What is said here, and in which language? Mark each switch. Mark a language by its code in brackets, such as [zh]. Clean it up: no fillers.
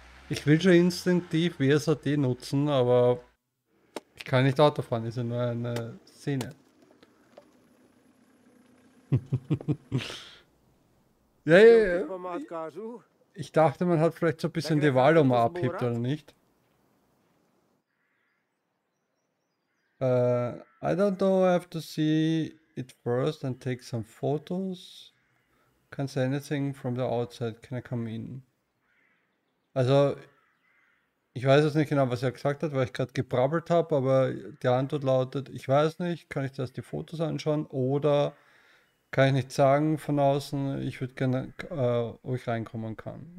[de] Ich will schon instinktiv WSAD nutzen, aber ich kann nicht Auto fahren, ist ja nur eine Szene. Ja, ja, ja. Ich dachte, man hat vielleicht so ein bisschen die Wahl, ob man abhebt oder nicht. [en] I don't know, I have to see it first and take some photos. Can't say anything from the outside, can I come in? [de] Also, ich weiß jetzt nicht genau, was er gesagt hat, weil ich gerade gebrabbelt habe, aber die Antwort lautet, ich weiß nicht, kann ich zuerst die Fotos anschauen oder kann ich nicht sagen von außen, ich würde gerne, ob ich reinkommen kann.